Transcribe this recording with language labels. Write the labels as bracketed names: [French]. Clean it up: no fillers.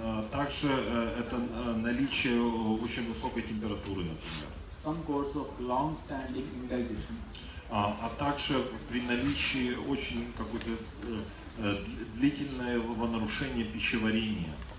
[Russian] Также это наличие очень высокой температуры, например. [English] Some course of long-standing indigestion. [Russian] А также при наличии очень какого-то длительного нарушения пищеварения.